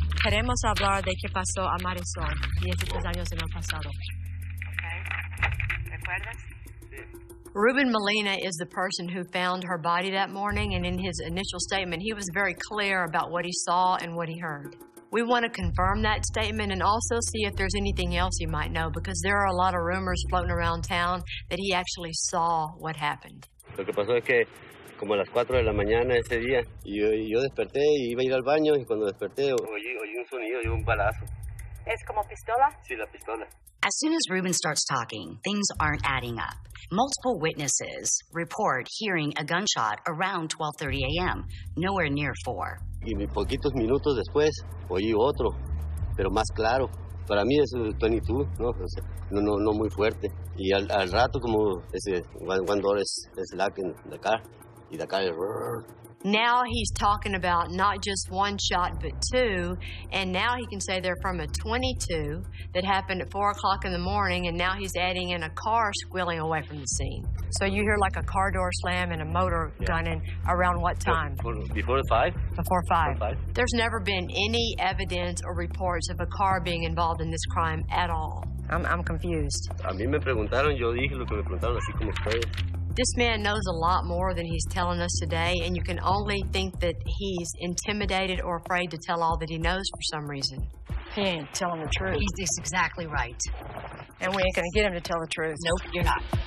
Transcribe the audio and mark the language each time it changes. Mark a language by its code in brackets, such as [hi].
[es] Queremos hablar de qué pasó a Marisol 16 años en el pasado. Okay. ¿Recuerdas? [en] Ruben Molina is the person who found her body that morning, and in his initial statement, he was very clear about what he saw and what he heard. We want to confirm that statement and also see if there's anything else you might know, because there are a lot of rumors floating around town that he actually saw what happened. [es] Lo que pasó es que como a las 4 de la mañana ese día, yo desperté y iba a ir al baño, y cuando desperté, oí un sonido, oí un balazo. ¿Es como pistola? Sí, la pistola. [en] As soon as Ruben starts talking, things aren't adding up. Multiple witnesses report hearing a gunshot around 12:30 a.m., nowhere near 4. [es] Y poquitos minutos después, oí otro, pero más claro. Para mí es 22, ¿no? O sea, no muy fuerte. Y al rato, como ese, [en] one door is locked in the car, y the car is... Now he's talking about not just one shot, but two. And now he can say they're from a .22 that happened at 4 o'clock in the morning. And now he's adding in a car squealing away from the scene. So you hear like a car door slam and a motor gunning around what time? Before five. There's never been any evidence or reports of a car being involved in this crime at all. I'm confused. [es] A mí me preguntaron, yo dije lo que me preguntaron, así como fue. [en] This man knows a lot more than he's telling us today, and you can only think that he's intimidated or afraid to tell all that he knows for some reason. He ain't telling the truth. He's exactly right. And we ain't gonna get him to tell the truth. Nope, you're not.